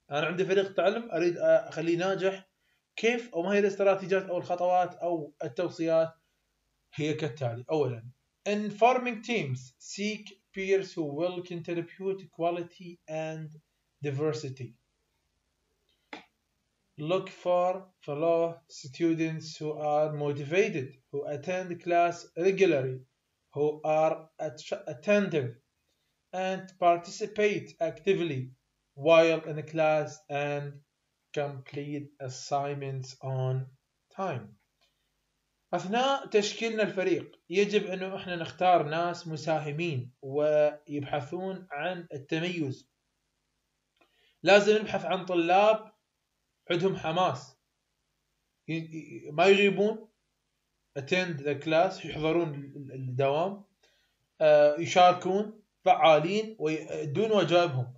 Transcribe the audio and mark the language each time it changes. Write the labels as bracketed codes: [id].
[ar] أنا عندي فريق تعلم أريد أخليه ناجح، كيف أو ما هي الاستراتيجيات أو الخطوات أو التوصيات؟ هي كالتالي: أولاً، [en] in forming teams seek peers who will contribute quality and diversity. Look for fellow students who are motivated, who attend class regularly, who are attentive, and participate actively while in class and complete assignments on time. [ar] أثناء تشكيلنا الفريق يجب أنه إحنا نختار ناس مساهمين ويبحثون عن التميز. لازم نبحث عن طلاب عندهم حماس، ما يغيبون، [en] attend the class، [ar] يحضرون الدوام، يشاركون، فعالين ويدون واجبهم.